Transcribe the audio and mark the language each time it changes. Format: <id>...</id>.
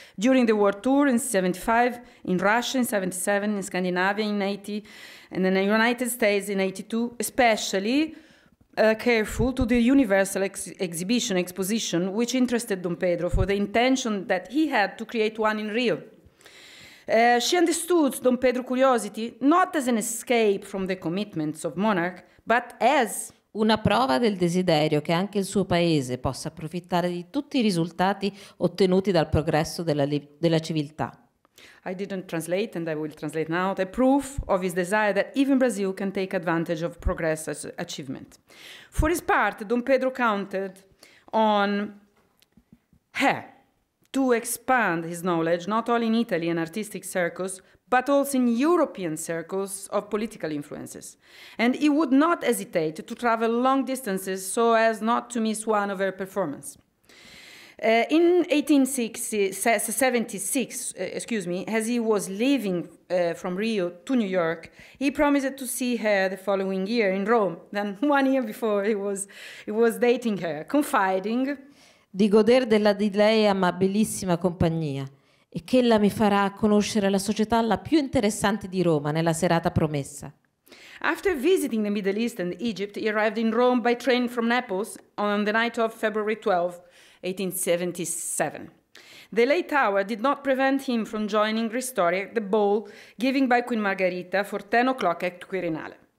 <en>During the world tour in 75, in Russia in 77, in Scandinavia in 80, and in the United States in 82, especially careful to the universal exposition, which interested Don Pedro for the intention that he had to create one in Rio. She understood Don Pedro's curiosity not as an escape from the commitments of monarch, but as</en> <it>una prova del desiderio che anche il suo paese possa approfittare di tutti i risultati ottenuti dal progresso della civiltà.</it> <en>I didn't translate, and I will translate now, the proof of his desire that even Brazil can take advantage of progress as achievement. For his part, Don Pedro counted on her to expand his knowledge, not only in Italy and artistic circles, but also in European circles of political influences. And he would not hesitate to travel long distances so as not to miss one of her performances. In 1876, as he was leaving from Rio to New York, he promised to see her the following year in Rome. Then 1 year before, he was dating her, confiding.</en> <it>Di goder della di lei amabilissima compagnia e che ella mi farà conoscere la società la più interessante di Roma nella serata promessa.</it> <en>After visiting the Middle East and Egypt, he arrived in Rome by train from Naples on the night of February 12, 1877. The late hour did not prevent him from joining Ristori at the ball given by Queen Margherita for 10 o'clock at Quirinale.</en>